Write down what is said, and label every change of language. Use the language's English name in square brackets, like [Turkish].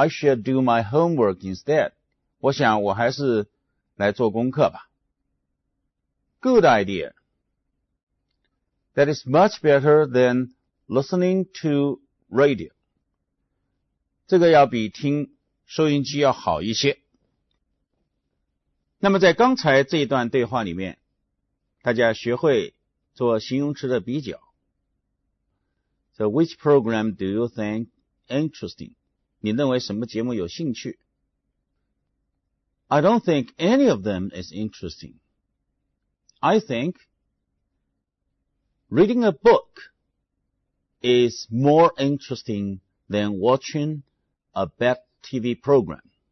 [English] I think I should do my homework instead. [Chinese] 我想我还是来做功课吧。 [English] Good idea. That is much better than listening to radio. [Chinese] 这个要比听收音机要好一些。那么在刚才这一段对话里面，大家学会做形容词的比较。 [English] So which program do you think interesting? [Chinese] 你认为什么节目有兴趣？ [English] I don't think any of them is interesting. I think reading a book is more interesting than watching a bad TV program.